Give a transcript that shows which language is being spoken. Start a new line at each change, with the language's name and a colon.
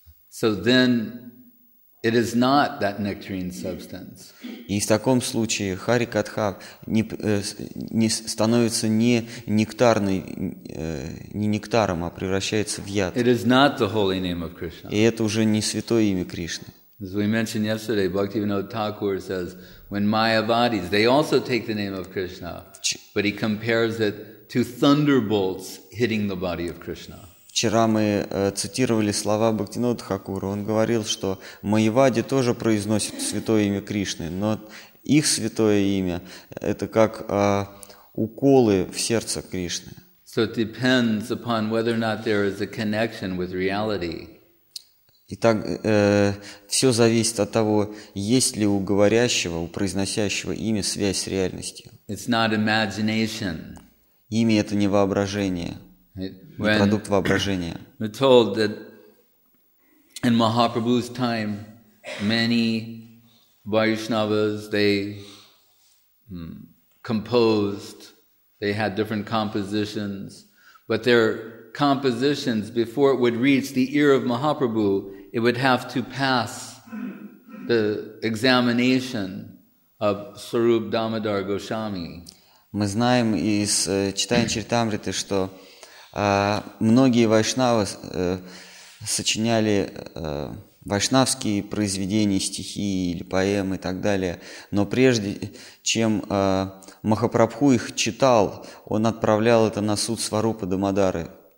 English: So then it is not that nectarine substance.
Russian: И в таком случае Харикатха не становится не нектарной, не нектаром, а превращается в яд.
English: It is not the holy name of Krishna.
Russian: И это уже не святое имя Кришны.
English: As we mentioned yesterday, Bhaktivinoda Thakur says, when Mayavadis, they also take the name of Krishna, but he compares it to thunderbolts hitting the body of Krishna.
Russian: Вчера мы цитировали слова Бхактивинода Тхакура. Он говорил, что Майявади тоже произносит святое имя Кришны, но их святое имя – это как уколы в сердце Кришны.
English: So it depends upon whether or not there is a connection with reality.
Russian: Итак, все зависит от того, есть ли у говорящего, у произносящего имя связь с реальностью.
English: It's not imagination.
Russian: Имя – это не воображение, не продукт воображения.
English: We're told that in Mahaprabhu's time, many Vaishnavas, they composed, they had different compositions, but their compositions, before it would reach the ear of Mahaprabhu, it would have to pass the examination of Swarup Damodar Goswami.
Russian: Мы знаем из читания Чаритамриты, что многие вайшнавы сочиняли вайшнавские произведения, стихи или поэмы и так далее, но прежде чем Махапрабху их читал, он отправлял это на суд Сварупа Дамодары.